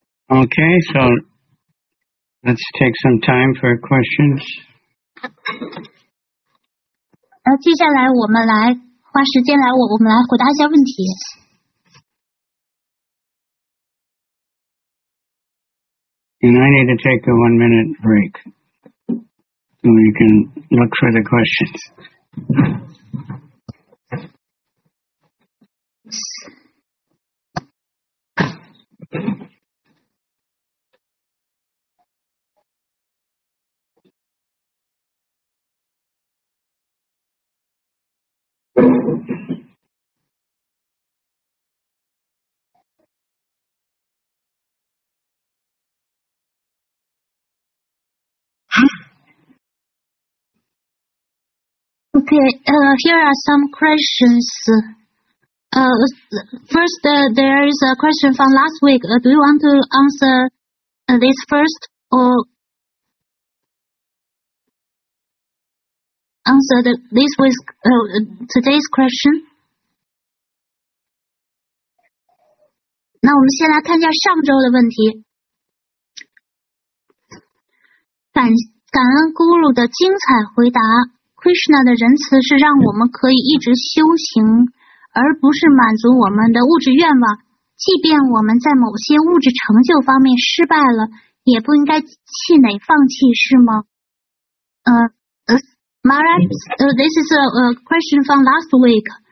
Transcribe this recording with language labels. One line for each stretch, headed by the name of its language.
English: Okay, so let's take some time for questions.
Chinese: 接下来我们来花时间来我们来回答一下问题。
English: And I need to take a 1 minute break. So you can look for the questions. Okay, here are some questions. First, there is a question from last week. Do you want to answer this first or answer this week's, today's question?
Chinese: 那我们先来看一下上周的问题。感恩咕噜的精彩回答。Krishna 的仁慈是让我们可以一直修行，而不是满足我们的物质愿望。即便我们在某些物质成就方面失败了，也不应该气馁放弃，是吗？
English: Maharaj, this is a question from last week.